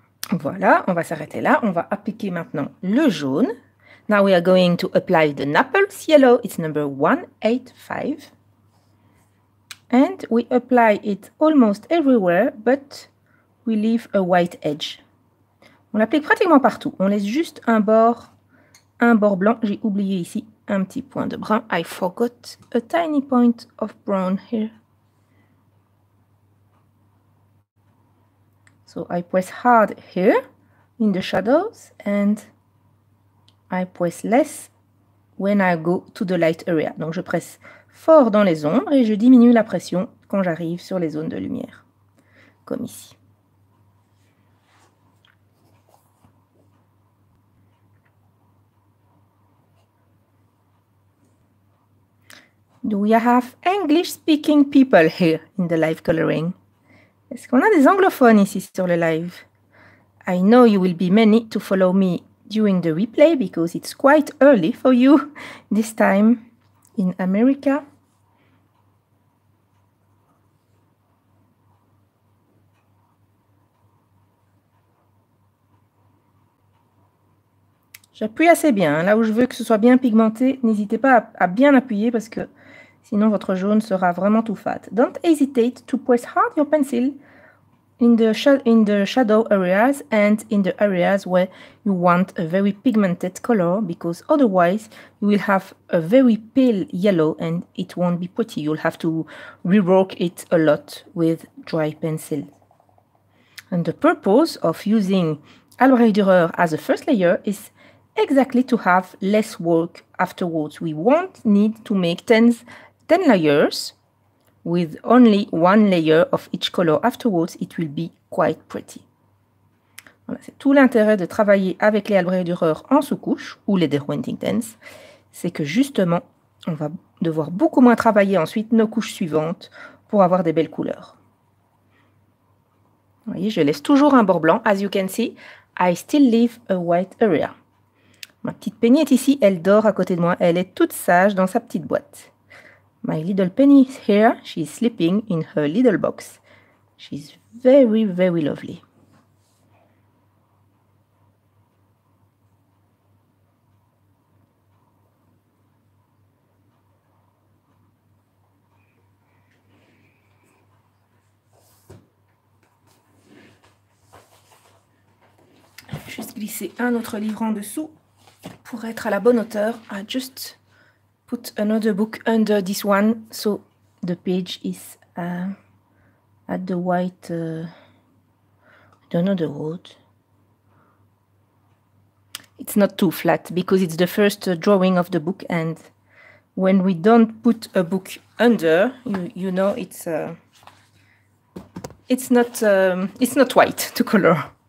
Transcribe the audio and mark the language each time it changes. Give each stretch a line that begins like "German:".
French: Voilà, on va s'arrêter là. On va appliquer maintenant le jaune.
English: Now we are going to apply the Naples yellow. It's number 185. And we apply it almost everywhere, but we leave a white edge.
French: On l'applique pratiquement partout. On laisse juste un bord blanc. J'ai oublié ici un petit point de brun.
English: I forgot a tiny point of brown here. So I press hard here in the shadows and I press less when I go to the light area.
French: Donc je presse fort dans les ombres et je diminue la pression quand j'arrive sur les zones de lumière, comme ici.
English: Do we have English speaking people here in the live coloring?
French: Est-ce qu'on a des anglophones ici sur le live?
English: I know you will be many to follow me during the replay because it's quite early for you this time in America.
French: J'appuie assez bien. Là où je veux que ce soit bien pigmenté, n'hésitez pas à bien appuyer parce que sinon votre jaune sera vraiment tout fat.
English: Don't hesitate to press hard your pencil. In the shadow areas and in the areas where you want a very pigmented color because otherwise you will have a very pale yellow and it won't be pretty. You'll have to rework it a lot with dry pencil. And the purpose of using Albrecht Dürer as a first layer is exactly to have less work afterwards. We won't need to make 10 layers. With only one layer of each color afterwards, it will be quite pretty.
French: Voilà, c'est tout l'intérêt de travailler avec les Albrecht Dürer en sous-couche ou les Derwenting Tints, c'est que justement, on va devoir beaucoup moins travailler ensuite nos couches suivantes pour avoir des belles couleurs. Vous voyez, je laisse toujours un bord blanc.
English: As you can see, I still leave a white area.
French: Ma petite Penny est ici, elle dort à côté de moi, elle est toute sage dans sa petite boîte.
English: My little Penny is here. She's sleeping in her little box. She's very, very lovely.
French: juste glisser un autre livre en dessous pour être à la bonne hauteur.
English: I just put another book under this one so the page is at the white, I don't know the word. It's not too flat because it's the first drawing of the book, and when we don't put a book under, you know, it's not white to color.